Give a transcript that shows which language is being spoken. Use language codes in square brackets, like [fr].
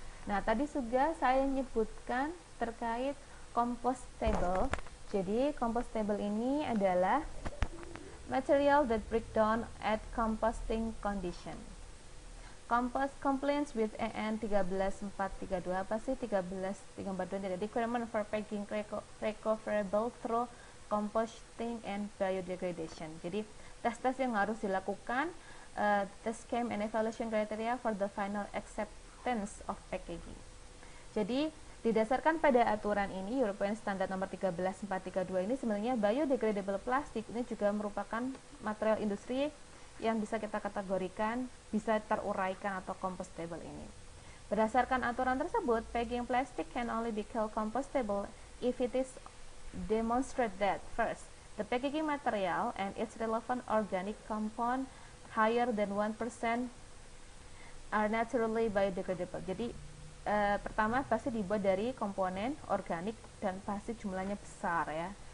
[id] Nah, tadi juga saya nyebutkan terkait compostable. Jadi, compostable ini adalah [en] material that break down at composting condition. Compost compliance with EN 13432 [id] apa sih [en] 13342 [id] jadi [en] requirement for packing recoverable through composting and biodegradation. [id] Jadi tes-tes yang harus dilakukan, [en] test scheme and evaluation criteria for the final acceptance of packaging. [id] Jadi didasarkan pada aturan ini, European Standard nomor 13432 ini sebenarnya biodegradable plastik ini juga merupakan material industri yang bisa kita kategorikan bisa teruraikan atau compostable ini. Berdasarkan aturan tersebut, [en] packaging plastic can only be called compostable if it is demonstrated that first, the packaging material and its relevant organic compound higher than 1% are naturally biodegradable. [id] Jadi pertama pasti dibuat dari komponen organik dan pasti jumlahnya besar ya.